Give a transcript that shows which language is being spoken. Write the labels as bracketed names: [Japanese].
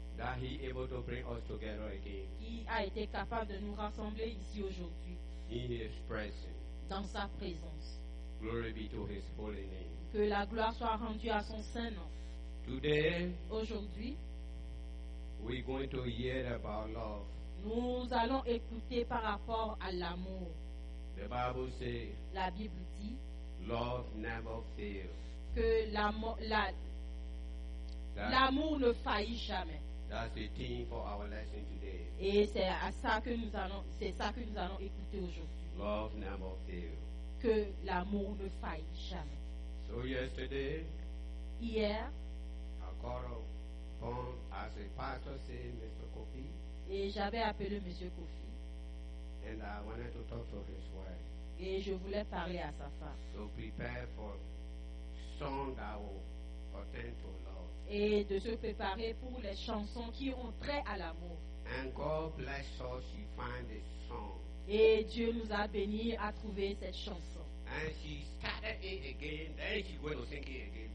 [English] That He able to bring us together again. [French] Qui a été capable de nous rassembler ici aujourd'hui. [English] In His presence. [French] Dans sa présence. [English] Glory be to His holy name. [French] Que la gloire soit rendue à son saint nom. [English] Today. [French] Aujourd'hui. [English] We going to hear about love. [French] Nous allons écouter par rapport à l'amour. [English] The Bible says, [French] la Bible dit, [English] love never fails. [French] Que l'amour ne faillit jamais. [English] That's the theme for our lesson today. [French] Et c'est ça que nous allons écouter aujourd'hui. [English] Love never fails. [French] Que l'amour ne faillit jamais. [English] So yesterday, [French] hier, [English] I called upon, as a pastor said, Mr. Kofi. [French] Et j'avais appelé Monsieur Kofi. [English] And I wanted to talk to his wife. [French] Et je voulais parler à sa femme. [English] So prepare for song that will pertain to love. [French] Et de se préparer pour les chansons qui ont trait à l'amour. [English] And God bless her, she find this song. [French] Et Dieu nous a béni à trouver cette chanson. [English] And she started it again, then she went to sing it again.